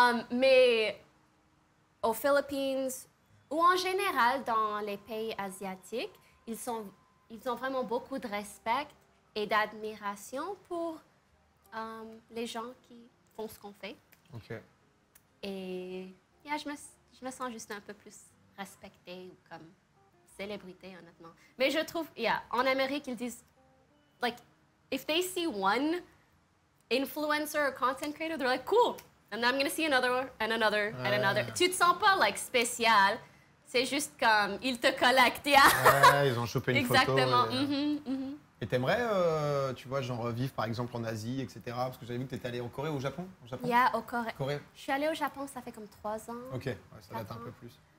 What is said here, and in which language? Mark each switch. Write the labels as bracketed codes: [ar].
[fr] Mais aux Philippines, ou en général dans les pays asiatiques, ils ont vraiment beaucoup de respect et d'admiration pour les gens qui font ce qu'on fait. OK. Et yeah, je me sens juste un peu plus respectée ou comme célébrité, honnêtement. Mais je trouve, yeah, en Amérique, ils disent, [en] like, if they see one influencer or content creator, they're like, cool, and I'm gonna see another, and another, and another. [fr] Tu te sens pas, like, spécial, c'est juste comme, ils te collectent, yeah. Ils ont chopé une exactement. Photo. Exactement. Mm-hmm. Et t'aimerais, tu vois, genre, vivre, par exemple, en Asie, etc., parce que j'avais vu que t'étais allée en Corée ou au Japon? Yeah, au Corée. Corée. Je suis allée au Japon, ça fait comme 3 ans. OK, ouais, ça date un peu plus.